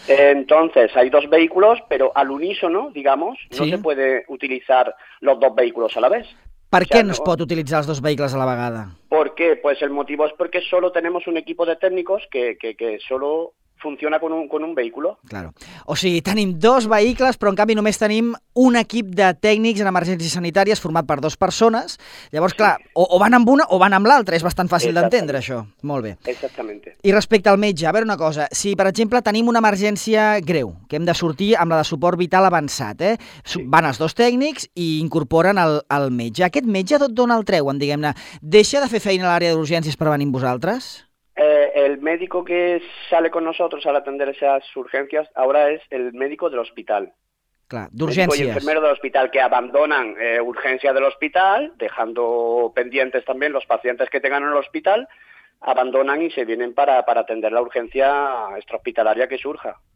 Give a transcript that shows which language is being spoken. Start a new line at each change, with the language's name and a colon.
Spanish: Entonces, hay dos vehículos, pero al unísono, digamos, no, sí, se puede utilizar los dos vehículos a la vez. ¿Por qué no se puede utilizar los dos vehículos a la vegada? ¿Por qué? Pues el motivo es porque solo tenemos un equipo de técnicos que solo funciona con un vehículo. Claro.
Catalan: O sigui, tenim dos vehicles, però en canvi només tenim un equip de tècnics en emergències sanitàries format per dues persones. Llavors, sí, clar, o van amb una o van amb l'altra. És bastant fàcil d'entendre, això. Molt bé. Exactament. I respecte al metge, a veure una cosa. Si, per exemple, tenim una emergència greu, que hem de sortir amb la de suport vital avançat, eh? Sí. Van els dos tècnics i incorporen el metge. Aquest metge d'on el treuen, diguem-ne? Deixa de fer feina a l'àrea d'urgències per venir amb vosaltres?
Spanish: El médico que sale con nosotros al atender esas urgencias ahora es el médico del hospital. Claro, de urgencias. El enfermero del hospital que abandonan urgencia del hospital, dejando pendientes también los pacientes que tengan en el hospital, abandonan y se vienen para atender la urgencia extrahospitalaria que surja.